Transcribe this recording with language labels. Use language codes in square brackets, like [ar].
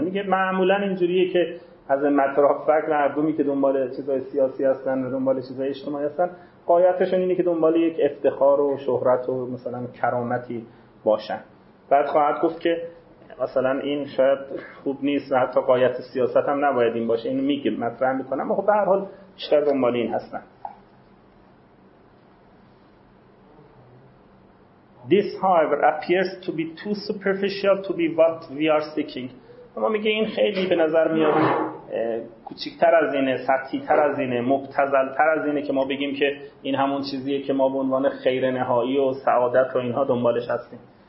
[fa] میگه معمولا اینجوریه که از مترافق مردمی که دنبال چیزای سیاسی هستن و دنبال چیزای اجتماعی هستن، غایتشون اینه که دنبال یک افتخار و شهرت و مثلا کرامتی باشن. بعد خواهد گفت که مثلا این شاید خوب نیست و حتی غایت سیاست هم نباید این باشه، اینو میگم مطرح میکنم، خب به هر حال بیشتر دنبال این هستن. [en] This however appears to be too superficial to be what we are seeking. [fa] اما میگه این خیلی به نظر میاد کوچیک‌تر از اینه، سطحی‌تر از اینه، مبتذل‌تر از اینه که ما بگیم که این همون چیزیه که ما به عنوان خیر نهایی و سعادت و اینها دنبالش هستیم.